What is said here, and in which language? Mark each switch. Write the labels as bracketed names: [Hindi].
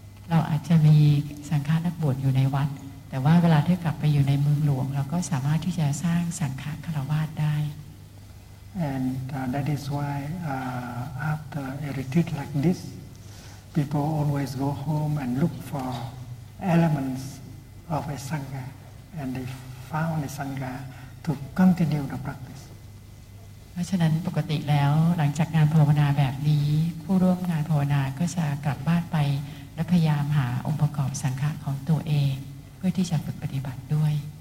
[Thai] เราอาจจะมีสังฆานักบวชอยู่ในวัดแต่ว่าเวลาที่กลับไปอยู่ในเมืองหลวงเราก็สามารถที่จะสร้างสังฆคฤหัสถ์ได้ [English] And that is why after a retreat like this people always go home and look for elements of a sangha and they found a sangha to continue the practice [Thai] เพราะฉะนั้นปกติแล้วหลังจากงานภาวนาแบบนี้ผู้ร่วมงานภาวนาก็จะกลับบ้านไปและพยายามหาองค์ประกอบสังฆะของตัวเองเพื่อที่จะฝึกปฏิบัติด้วย